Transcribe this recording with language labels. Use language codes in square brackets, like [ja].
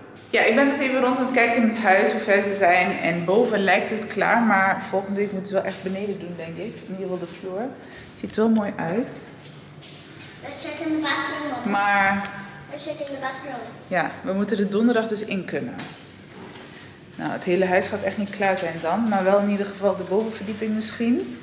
[nl] Ja, ik ben dus even rond aan het kijken in het huis, hoe ver ze zijn. En boven lijkt het klaar, maar volgende week moeten ze wel echt beneden doen, denk ik. In ieder geval de vloer. Het ziet wel mooi uit. [en] Let's check in the bathroom. [nl] Maar... [en] Let's check in the bathroom. [nl] Ja, we moeten de donderdag dus in kunnen. Nou, het hele huis gaat echt niet klaar zijn dan. Maar wel in ieder geval de bovenverdieping misschien.